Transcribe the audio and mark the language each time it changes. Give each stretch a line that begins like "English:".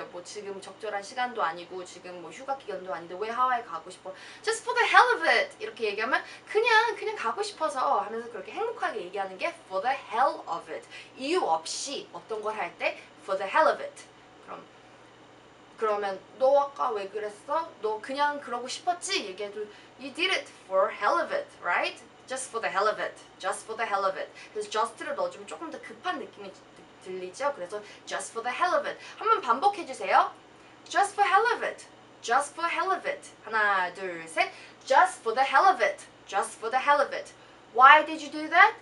Korean: 뭐 지금 적절한 시간도 아니고 지금 뭐 휴가 기간도 아닌데 왜 하와이 가고 싶어?
English: Just for the hell of it!
Korean: 이렇게 얘기하면 그냥 가고 싶어서 하면서 그렇게 행복하게 얘기하는 게
English: for the hell of it.
Korean: 이유 없이 어떤 걸 할 때
English: for the hell of it.
Korean: 그러면 너 아까 왜 그랬어? 너 그냥 그러고 싶었지? 얘기해도
English: You did it for hell of it, right? Just for the hell of it. Just for the hell of it.
Korean: 그래서 just를 넣어주면 조금 더 급한 느낌이 들리죠?
English: 그래서 just for the hell of it.
Korean: 한번 반복해주세요.
English: Just for hell of it. Just for hell of it.
Korean: 하나, 둘, 셋.
English: Just for the hell of it. Just for the hell of it. Why did you do that?